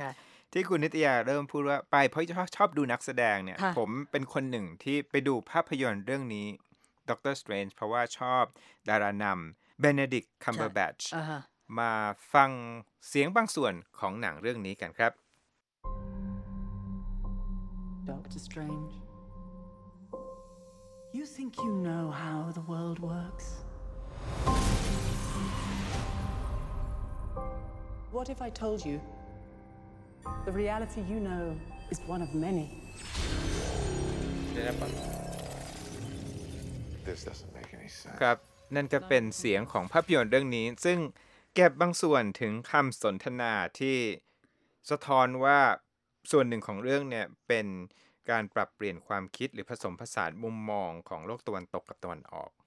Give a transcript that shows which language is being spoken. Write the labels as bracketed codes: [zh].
[th] คะที่คุณนิตยาเริ่มพูดว่าไปเพราะชอบดูนักแสดงเนี่ยผมเป็นคนหนึ่งที่ไปดูภาพยนตร์เรื่องนี้ Doctor Strange เพราะว่าชอบดารานำ Benedict Cumberbatch มาฟังเสียงบางส่วนของหนังเรื่องนี้กันครับ [en] Doctor StrangeYou think you know how the world works? What if I told you the reality you know is one of many? This doesn't make any sense. [th] ครับนั่นก็เป็นเสียงของภาพยนตร์เรื่องนี้ซึ่งเก็บบางส่วนถึงคำสนทนาที่สะท้อนว่าส่วนหนึ่งของเรื่องเนี่ยเป็นการปรับเปลี่ยนความคิดหรือผสมผสานมุมมองของโลกตะวันตกกับตะวันออก